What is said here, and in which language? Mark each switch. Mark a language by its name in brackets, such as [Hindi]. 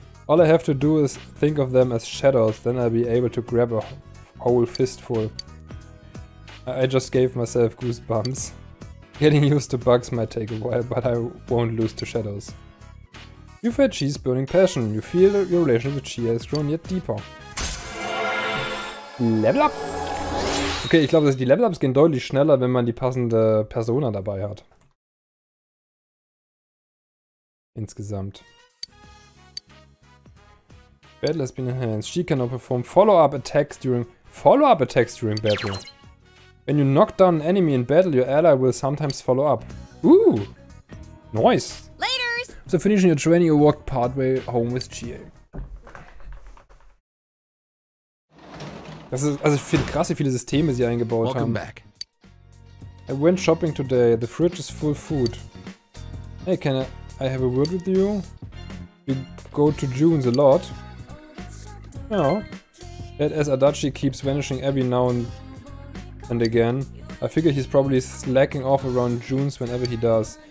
[English] All I have to do is think of them as shadows, then I'll be able to grab a whole fistful. I just gave myself goosebumps. Getting used to bugs might take a while, but I won't lose to shadows. You feel Chi's burning passion. You feel your relationship with Chie has grown yet deeper. Level up! [German] Okay, ich glaube, die Level-Ups gehen deutlich schneller, wenn man die passende Persona dabei hat. Insgesamt. [English] Battle has been enhanced. She cannot perform follow-up attacks during battle. When you knock down an enemy in battle, your ally will sometimes follow up. Ooh! Nice! Laters. So finishing your training, you walk partway home with Chie. [German] Also ich finde krass, wie viele Systeme sie eingebaut [English] Welcome [German] haben. [English] Back. I went shopping today. The fridge is full food. Hey, can I have a word with you? You go to June's a lot. No. That as Adachi keeps vanishing every now and again, I figure he's probably slacking off around June's whenever he does.